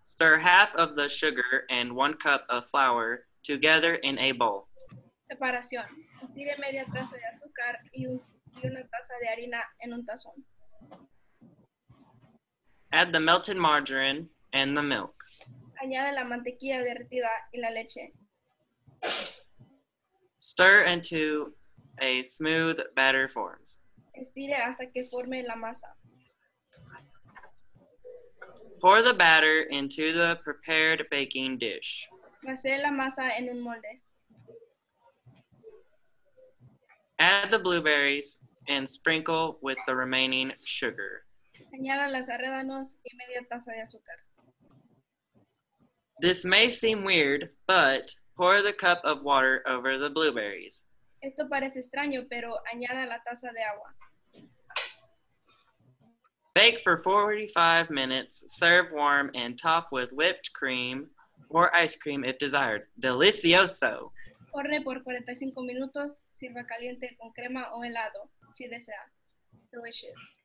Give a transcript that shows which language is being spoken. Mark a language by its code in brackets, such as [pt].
[en] Stir 1/2 of the sugar and 1 cup of flour together in a bowl. [es] Preparación. Tire media taza de azúcar y una taza de harina en un tazón. [en] Add the melted margarine and the milk. [es] Añade la mantequilla derretida y la leche. [en] Stir until a smooth batter forms. [es] Estire hasta que forme la masa. [en] Pour the batter into the prepared baking dish. [es] Vacíe la masa en un molde. [en] Add the blueberries and sprinkle with the remaining sugar. [es] Añada los arándanos y media taza de azúcar. [en] This may seem weird, but pour the cup of water over the blueberries. [es] Esto parece extraño, pero añada la taza de agua. [en] Bake for 45 minutes, serve warm, and top with whipped cream or ice cream if desired. [es] Delicioso! Horne por 45 minutos, sirva caliente con crema o helado, si desea. Delicious.